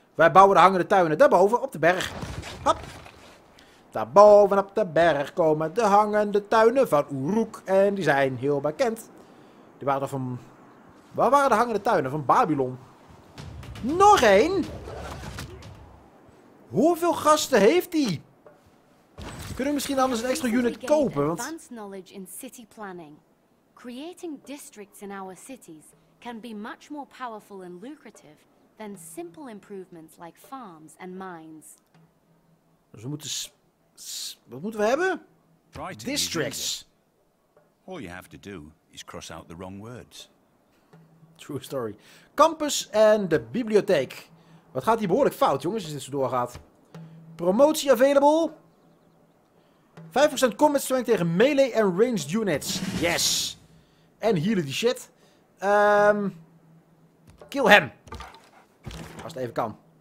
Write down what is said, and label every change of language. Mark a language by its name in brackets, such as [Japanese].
[Dutch] Wij bouwen de hangende tuinen daarboven op de berg. Hop. Daarboven op de berg komen de hangende tuinen van Uruk. En die zijn heel bekend. Die waren er van... Waar waren de hangende tuinen? Van Babylon. Nog één. Hoeveel gasten heeft die? Kunnen we misschien anders een extra unit kopen? Want... [English] Advanced knowledge in city planning. Creating districts in our cities can be much more powerful and lucrative than simple improvements like farms and mines. [Dutch] Dus we moeten... Wat moeten we hebben? Districts. [English] All you have to do is cross out the wrong words. True story. [Dutch] Campus en de bibliotheek. Wat gaat hier behoorlijk fout, jongens, als dit zo doorgaat. Promotie available. 5% combat strength tegen melee en ranged units. [English] Yes. [Dutch] En healen die shit. Kill hem. Als het even kan.